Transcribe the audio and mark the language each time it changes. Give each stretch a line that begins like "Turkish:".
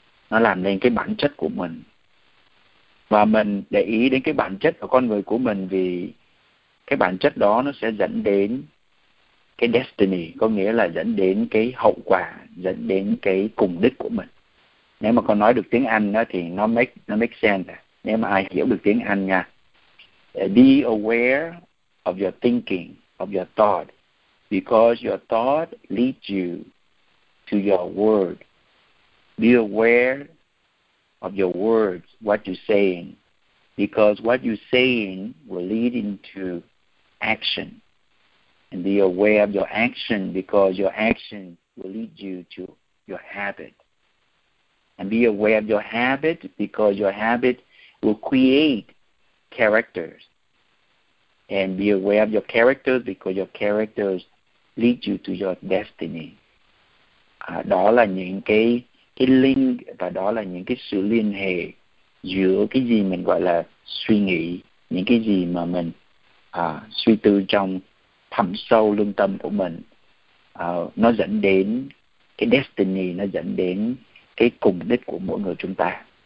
Vietnamese: Nó làm nên cái bản chất của mình. Và mình để ý đến cái bản chất của con người của mình, vì cái bản chất đó nó sẽ dẫn đến cái destiny, có nghĩa là dẫn đến cái hậu quả, dẫn đến cái cùng đích của mình. Nếu mà con nói được tiếng Anh đó, thì nó
English: make sense.
Vietnamese: Nếu mà ai hiểu được tiếng Anh nha.
English: Be aware of your thinking, of your thought, because your thought leads you to your word. Be aware of your words, what you're saying, because what you're saying will lead into action. And be aware of your action, because your action will lead you to your habit. And be aware of your habit, because your habit will create characters. And be aware of your characters, because your characters lead you to your destiny.
Vietnamese: Đó là những cái link, và đó là những cái sự liên hệ giữa cái gì mình gọi là suy nghĩ, những cái gì mà mình suy tư trong thẳm sâu lương tâm của mình. Nó dẫn đến cái destiny, nó dẫn đến cái cùng đích của mỗi người chúng ta.